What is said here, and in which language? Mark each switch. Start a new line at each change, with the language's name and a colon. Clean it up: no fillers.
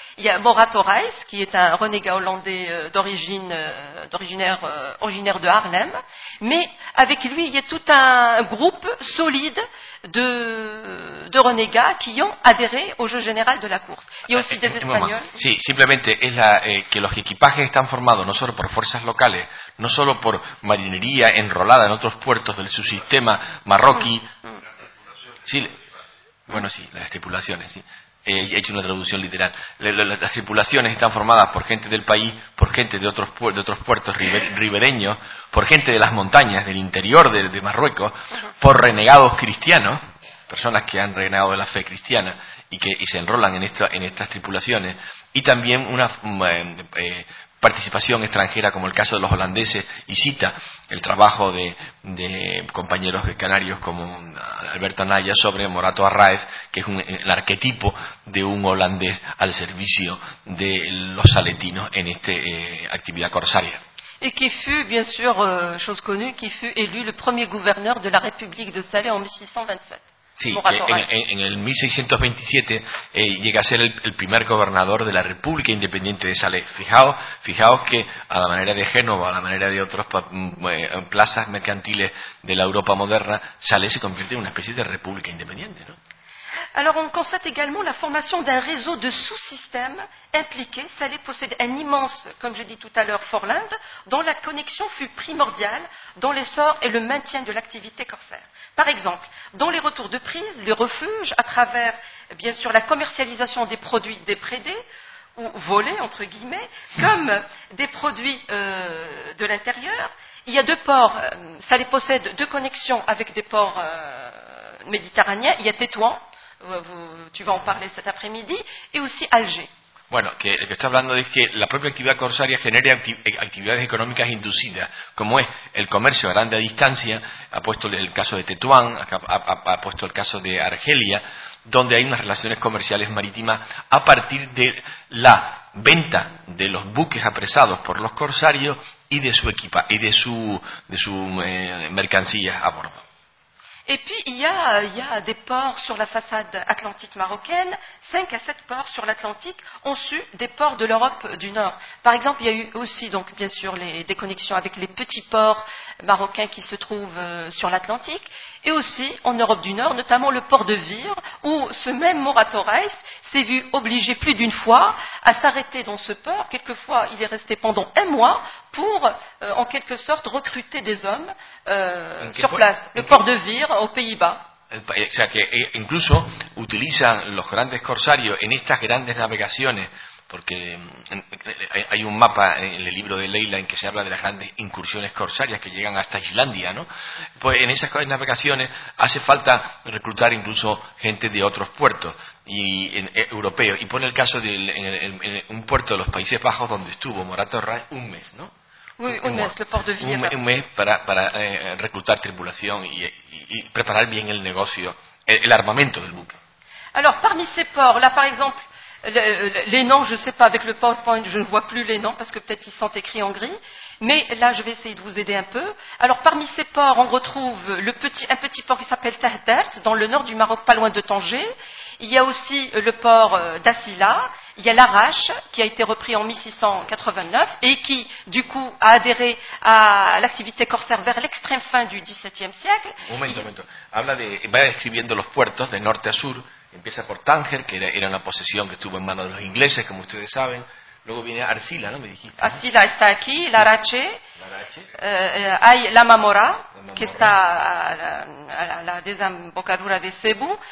French: Il y a Mora Torres, qui est un renégat hollandais originaire de Haarlem. Mais avec lui, il y a tout un groupe solide de renégats qui ont adhéré au jeu général de la course. Il y a aussi des Espagnols.
Spanish: Sí, simplemente es la, que los equipajes están formados no solo por fuerzas locales, no solo por marinería enrolada en otros puertos del subsistema marroquí. Sí, bueno, sí, las tripulaciones, sí. He hecho una traducción literal. Las tripulaciones están formadas por gente del país, por gente de otros puertos ribereños, por gente de las montañas, del interior de Marruecos, por renegados cristianos, personas que han renegado de la fe cristiana y se enrolan en estas tripulaciones, y también una participación extranjera, como el caso de los holandeses, y cita el trabajo de compañeros de canarios como Alberto Anaya sobre Morato Arraez, que es el arquetipo de un holandés al servicio de los saletinos en esta actividad corsaria.
French: Et qui fut, bien sûr, chose connue, qui fut élu le premier gouverneur de la République de Salé en 1627.
Spanish: Sí, en el 1627 llega a ser el primer gobernador de la República Independiente de Salé. Fijaos que a la manera de Génova, a la manera de otras plazas mercantiles de la Europa moderna, Salé se convierte en una especie de República Independiente, ¿no?
French: Alors, on constate également la formation d'un réseau de sous-systèmes impliqués. Salé possède un immense, comme je dis tout à l'heure, Forland, dont la connexion fut primordiale dans l'essor et le maintien de l'activité corsaire. Par exemple, dans les retours de prise, les refuges, à travers, bien sûr, la commercialisation des produits déprédés, ou volés, entre guillemets, comme des produits de l'intérieur. Il y a deux ports, Salé possède deux connexions avec des ports méditerranéens. Il y a Tétouan. Tu vas en parler cet après-midi, et aussi Alger.
Spanish: Bueno, que lo que está hablando es que la propia actividad corsaria genera actividades económicas inducidas, como es el comercio a grande distancia, ha puesto el caso de Tetuán, ha puesto el caso de Argelia, donde hay unas relaciones comerciales marítimas a partir de la venta de los buques apresados por los corsarios y de su equipa y de su mercancía a bordo.
French: Et puis, il y a des ports sur la façade atlantique marocaine, 5 à 7 ports sur l'Atlantique ont su des ports de l'Europe du Nord. Par exemple, il y a eu aussi, donc, bien sûr, des connexions avec les petits ports marocains qui se trouvent sur l'Atlantique, et aussi en Europe du Nord, notamment le port de Vire, où ce même Mora Torres s'est vu obligé plus d'une fois à s'arrêter dans ce port. Quelquefois, il est resté pendant un mois pour, en quelque sorte, recruter des hommes sur place. Le port de Vire, aux Pays-Bas.
Spanish: O sea que incluso utilizan los grandes corsarios en estas grandes navegaciones, porque hay un mapa en el libro de Leila en que se habla de las grandes incursiones corsarias que llegan hasta Islandia, ¿no? Pues en esas navegaciones hace falta reclutar incluso gente de otros puertos europeos. Y pone el caso de en un puerto de los Países Bajos donde estuvo Morato Arraez un mes, ¿no?
French: Oui, un mes, le port de Vire.
Spanish: Un mes para reclutar tripulación y preparar bien el negocio, el armamento del buque.
French: Alors, parmi ces ports, là par exemple, les noms, je ne sais pas, avec le PowerPoint, je ne vois plus les noms parce que peut-être ils sont écrits en gris, mais là je vais essayer de vous aider un peu. Alors, parmi ces ports, on retrouve un petit port qui s'appelle Tahterte, dans le nord du Maroc, pas loin de Tanger. Il y a aussi le port d'Assila. Il y a l'Arrache, qui a été repris en 1689, et qui, du coup, a adhéré à l'activité corsaire vers l'extrême fin du XVIIe siècle.
Spanish: Un momento. Va describiendo los puertos de norte a sur. Empieza por Tánger, que era una posesión que estuvo en manos de los ingleses, como ustedes saben. Luego viene Arsila, ¿no? Me dijiste. ¿No? Arsila está aquí, sí. L'Arrache. Hay la Mamora, que está a la desembocadura de Cebu.